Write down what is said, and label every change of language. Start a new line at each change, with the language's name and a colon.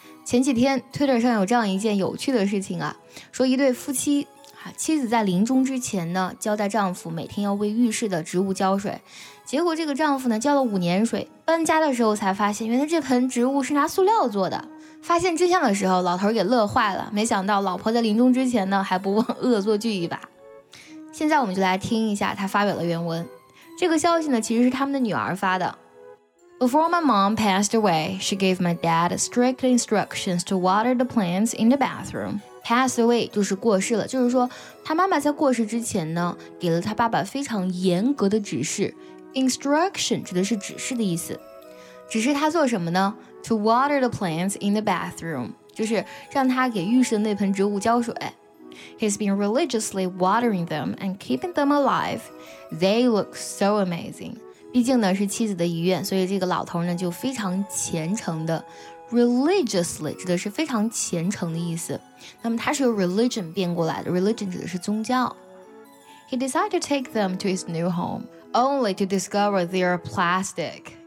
Chinese: 前几天 Twitter 上有这样一件有趣的事情啊，说一对夫妻，妻子在临终之前呢交代丈夫每天要为浴室的植物浇水，结果这个丈夫呢浇了5年水，搬家的时候才发现原来这盆植物是拿塑料做的。发现真相的时候老头给乐坏了，没想到老婆在临终之前呢还不忘恶作剧一把。现在我们就来听一下他发表的原文。这个消息呢其实是他们的女儿发的。
English: Before my mom passed away, she gave my dad strict instructions to water the plants in the bathroom. Pass away
Chinese: 就是过世了，就是说他妈妈在过世之前呢给了他爸爸非常严格的指示。 Instruction 指的是指示的意思，指示他做什么呢？
English: To water the plants in the bathroom
Chinese: 就是让他给浴室的那盆植物浇水。
English: He's been religiously watering them and keeping them alive. They look so amazing.
Chinese: 毕竟呢是妻子的遗愿，所以这个老头呢就非常虔诚的。 Religiously 指的是非常虔诚的意思，那么它是由 religion 变过来的， religion 指的是宗教。
English: He decided to take them to his new home only to discover they are plastic.